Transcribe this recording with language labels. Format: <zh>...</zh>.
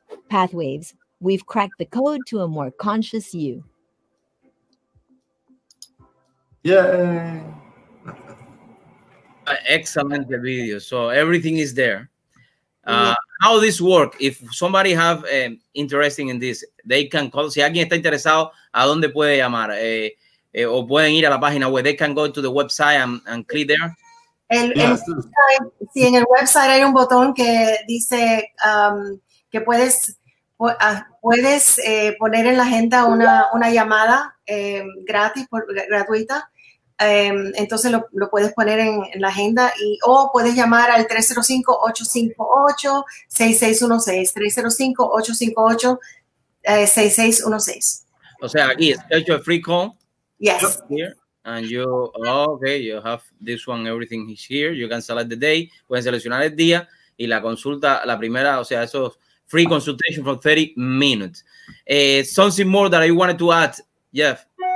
<en>Pathwaves, we've cracked the code to a more conscious you. Yeah. Excellent video. So everything is there. How this work? If somebody have interesting in this, they can call.</en> <es>Si alguien está interesado, ¿a dónde puede llamar? O pueden ir a la página web.</es> <en>They can go to the website and click there.</en> <es>Sí, en el website hay un botón que dice que puedes poner en la agenda una llamada gratis, gratuita. Entonces lo puedes poner en la agenda o puedes llamar al 305-858-6616, 305-858-6616. O sea, aquí es</es> <en>your free call. Yes. Here, and you have this one, everything is here. You can select the day,</en> <es>pueden seleccionar el día y la consulta, la primera, o sea, eso</es> <en>free consultation for 30 minutes. Something more that I wanted to add, Jeff.</en>